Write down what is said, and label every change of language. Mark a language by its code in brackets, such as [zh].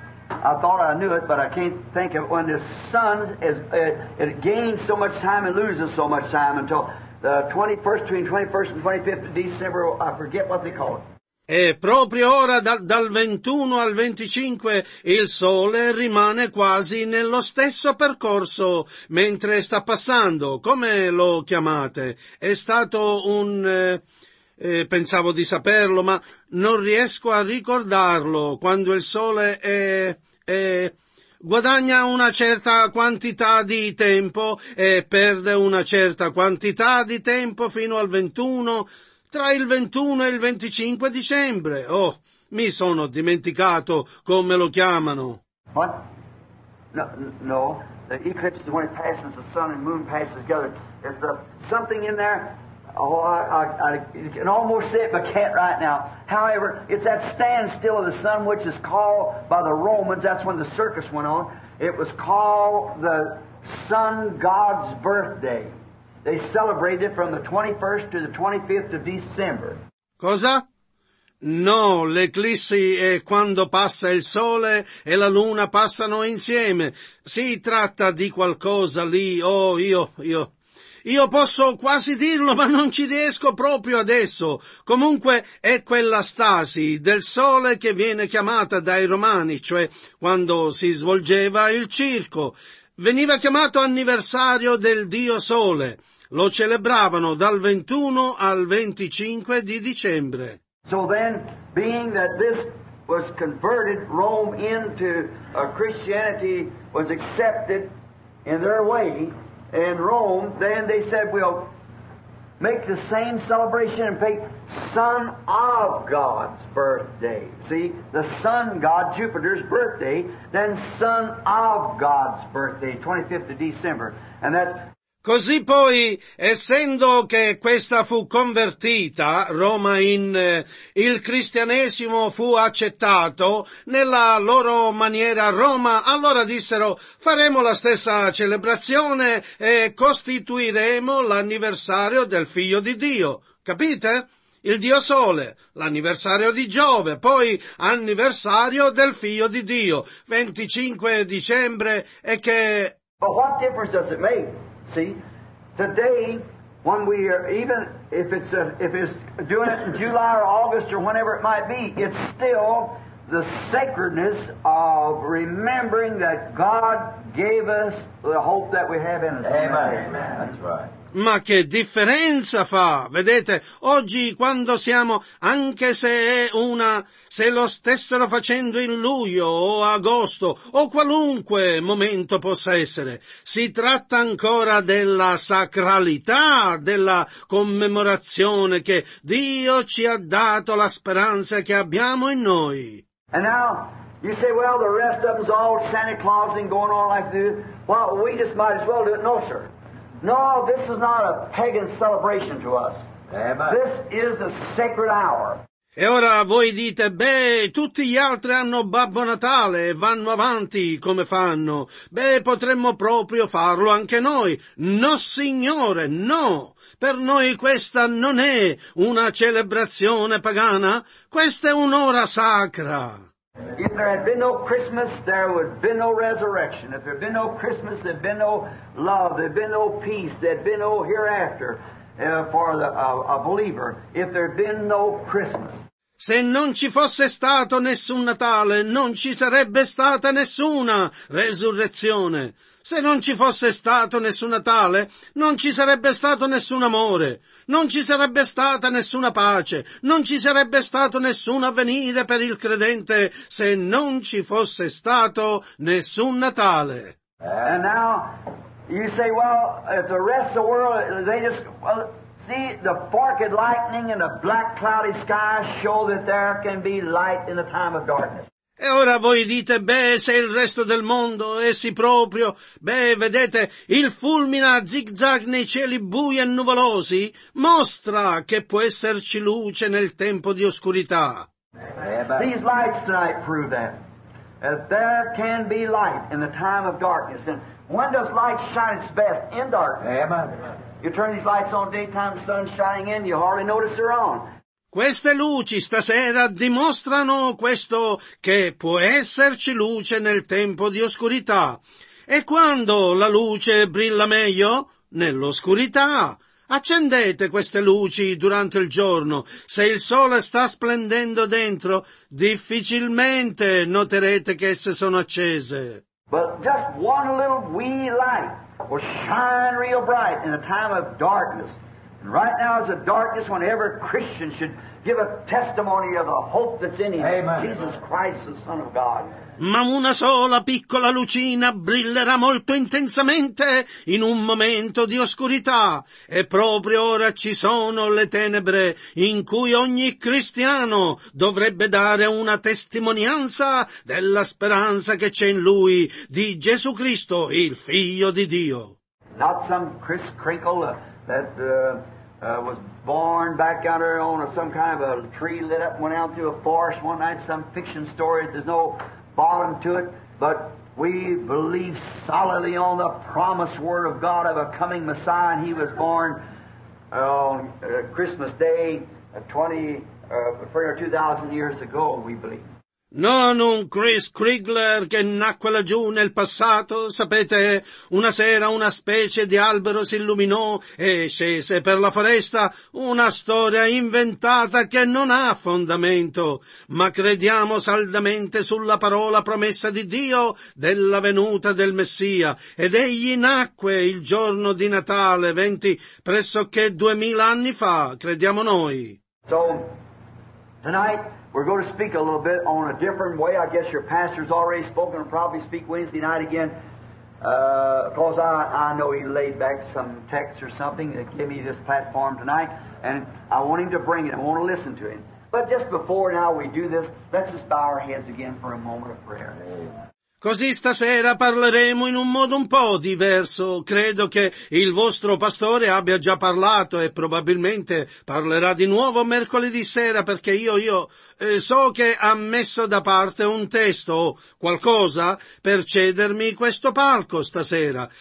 [en] I thought I knew it, but I can't think of it. When the sun it gains so much time and loses so much time until the 21st, between 21st and 25th of December, I forget what they call it. [it] E proprio ora, dal 21 al 25, il sole rimane quasi nello stesso percorso mentre sta passando. Come lo chiamate? È stato un... pensavo di saperlo, ma non riesco a ricordarlo. Quando il sole è guadagna una certa quantità di tempo e perde una certa quantità di tempo fino al 21... Tra il 21 e il 25 dicembre. Oh, mi sono dimenticato come lo chiamano. [en] What? No. The eclipse is when it passes, the sun and moon passes together. It's something in there. Oh, I can almost say it, but can't right now. However, it's that standstill of the sun, which is called by the Romans. That's when the circus went on. It was called the sun god's birthday. They celebrated from the 21st to the 25th of December. [it] Cosa? No, l'eclissi è quando passa il sole e la luna passano insieme. Si tratta di qualcosa lì. Oh, io posso quasi dirlo, ma non ci riesco proprio adesso. Comunque è quella stasi del sole che viene chiamata dai romani, cioè quando si svolgeva il circo. Veniva chiamato anniversario del Dio Sole. Lo celebravano dal 21 al 25 di dicembre. [en] So then, being that this was converted, Rome into Christianity was accepted in their way in Rome, then they said, we'll make the same celebration and make Son of God's birthday. See, the sun god, Jupiter's birthday, then Son of God's birthday, 25th of December. And that. [it] Così poi, essendo che questa fu convertita, Roma in il cristianesimo fu accettato nella loro maniera Roma, allora dissero, faremo la stessa celebrazione e costituiremo l'anniversario del Figlio di Dio. Capite? Il Dio Sole, l'anniversario di Giove, poi anniversario del Figlio di Dio, 25 dicembre, e che... [en] But what difference does it make? See, today When we are, even if it's a, if it's doing it in July or August or whenever it might be, it's still the sacredness of remembering that God gave us the hope that we have in us. Amen. Amen. That's right. [it] Ma che differenza fa? Vedete, oggi quando siamo, anche se è una, se lo stessero facendo in luglio o agosto o qualunque momento possa essere, si tratta ancora della sacralità, della commemorazione che Dio ci ha dato la speranza che abbiamo in noi. [en] And now you say, well, the rest of them's all Santa Claus and going on like this. Well, we just might as well do it. No, sir. No, this is not a pagan celebration to us. Amen. This is a sacred hour. [it] E ora voi dite, beh, tutti gli altri hanno Babbo Natale e vanno avanti come fanno. Beh, potremmo proprio farlo anche noi. No, signore, no. Per noi questa non è una celebrazione pagana. Questa è un'ora sacra. [en] If there had been no Christmas, there would have been no resurrection. If there had been no Christmas, there had been no love, there had been no peace, there had been no hereafter for the, a believer. If there had been no Christmas. [it] Se non ci fosse stato nessun Natale, non ci sarebbe stata nessuna resurrezione. Se non ci fosse stato nessun Natale, non ci sarebbe stato nessun amore. Non ci sarebbe stata nessuna pace, non ci sarebbe stato nessun avvenire per il credente se non ci fosse stato nessun Natale. [en] And now you say, well, if the rest of the world, they just, well, see, the forked lightning and the black cloudy sky show that there can be light in the time of darkness. [it] E ora voi dite, beh, se il resto del mondo, essi proprio, beh, vedete, il fulmine a zigzag nei cieli bui e nuvolosi, mostra che può esserci luce nel tempo di oscurità. [en] These lights tonight prove that. That there can be light in the time of darkness. And when does light shine its best? In darkness. Amen. You turn these lights on, daytime sun shining in, you hardly notice they're on. [it] Queste luci stasera dimostrano questo, che può esserci luce nel tempo di oscurità. E quando la luce brilla meglio? Nell'oscurità. Accendete queste luci durante il giorno. Se il sole sta splendendo dentro, difficilmente noterete che esse sono accese. [en] But just one little wee light will shine real bright in a time of darkness. Right now is the darkest when every Christian should give a testimony of the hope that's in him. Amen. Jesus Christ, the Son of God. [it] Ma una sola piccola lucina brillerà molto intensamente in un momento di oscurità. E proprio ora ci sono le tenebre in cui ogni cristiano dovrebbe dare una testimonianza della speranza che c'è in lui, di Gesù Cristo, il Figlio di Dio. [en] Not some Kris Kringle, that was born back out there on some kind of a tree lit up, went out through a forest one night, some fiction story, there's no bottom to it, but we believe solidly on the promised word of God of a coming Messiah, and he was born on Christmas Day 2,000 years ago, we believe. [it] Non un Kris Kringle che nacque laggiù nel passato, sapete, una sera una specie di albero si illuminò e scese per la foresta, una storia inventata che non ha fondamento, ma crediamo saldamente sulla parola promessa di Dio della venuta del Messia, ed egli nacque il giorno di Natale, 20, pressoché 2000 anni fa, crediamo noi. [en] So, tonight we're going to speak a little bit on a different way. I guess your pastor's already spoken and probably speak Wednesday night again. Because I know he laid back some text or something that gave me this platform tonight. And I want him to bring it. I want to listen to him. But just before now we do this, let's just bow our heads again for a moment of prayer. Amen. [it] Così stasera parleremo in un modo un po' diverso. Credo che il vostro pastore abbia già parlato e probabilmente parlerà di nuovo mercoledì sera, perché io so che ha messo da parte un testo o qualcosa per cedermi questo palco stasera.